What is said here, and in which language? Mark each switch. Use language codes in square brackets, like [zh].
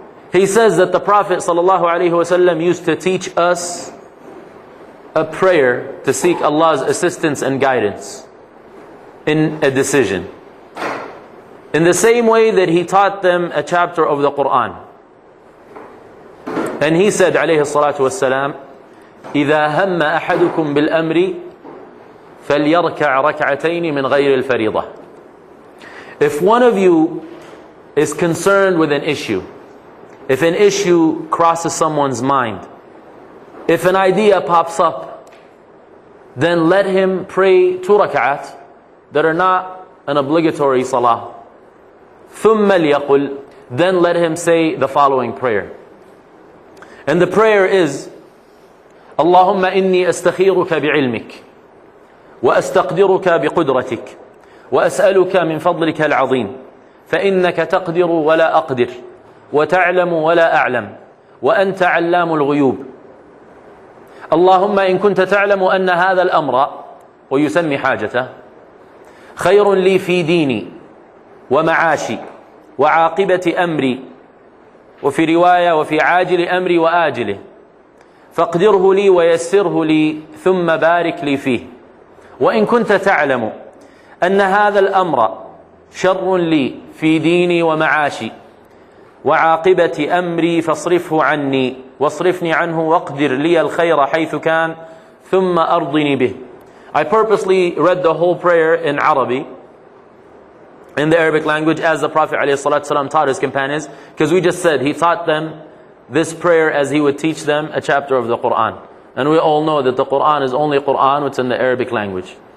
[en] He says that the Prophet sallallahu alaihi wasallam used to teach us a prayer to seek Allah's assistance and guidance in a decision. In the same way that he taught them a chapter of the Quran. And he said, [ar] alayhi salatu wassalam, إِذَا هَمَّ أَحَدُكُمْ بِالْأَمْرِ فَلْيَرْكَعْ رَكْعَتَيْنِ مِنْ غَيْرِ الْفَرِيضَةِ. [en] If one of you is concerned with an issue, if an issue crosses someone's mind, if an idea pops up, then let him pray 2 rak'at that are not an obligatory salah. [ar] ثُمَّ لِيَقُلْ. [en] Then let him say the following prayer. And the prayer is, [ar] اللهم إني أستخيرك بعلمك وأستقدرك بقدرتك وأسألك من فضلك العظيم فإنك تقدر ولا أقدر وتعلم ولا أعلم وأنت علام الغيوب. اللهم إن كنت تعلم أن هذا الأمر ويسمي حاجته خير لي في ديني ومعاشي وعاقبة أمري وفي رواية وفي عاجل أمري وآجله فاقدره لي ويسره لي ثم بارك لي فيه. وإن كنت تعلم أن هذا الأمر شر لي في ديني ومعاشي وعاقبة أمري فاصرفه عني واصرفني عنه واقدر لي الخير حيث كان ثم أرضني به. [en] I purposely read the whole prayer in Arabic, in the Arabic language, as the Prophet [ar] عليه الصلاة والسلام [en] taught his companions, because we just said he taught them this prayer as he would teach them a chapter of the Quran. And we all know that the Quran is only Quran, which is in the Arabic language.